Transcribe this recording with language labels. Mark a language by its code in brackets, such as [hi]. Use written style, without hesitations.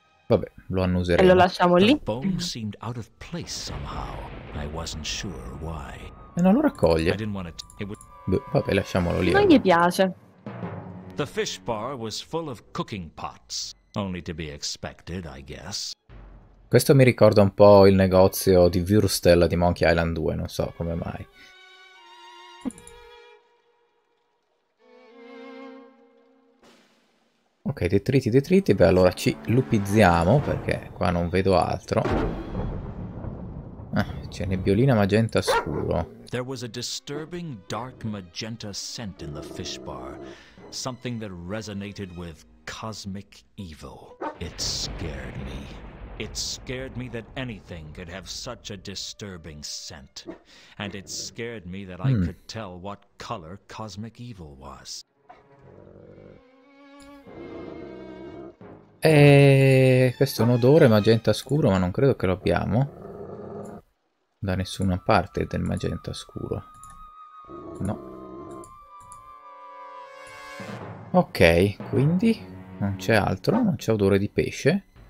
[it] Vabbè, lo annuseremo. E lo lasciamo lì. [en] The bone seemed out of place somehow. I wasn't sure why. [it] E non lo raccoglie. Vabbè, lasciamolo lì. Non gli piace. [en] The fish bar was full of cooking pots. Only to be expected, I guess. [it] Questo mi ricorda un po' il negozio di Würstel di Monkey Island 2, non so come mai. Ok, detriti, detriti, beh, allora ci lupizziamo, perché qua non vedo altro. C'è nebbiolina magenta scuro. [en] There was a disturbing dark magenta scent in the fish bar. Something that resonated with cosmic evil. It scared me. It scared me that anything could have such a disturbing scent. And it scared me that I could tell what color cosmic evil was. [it] Questo è un odore magenta scuro, ma non credo che lo abbiamo da nessuna parte del magenta scuro. No. Ok, quindi non c'è altro, non c'è odore di pesce.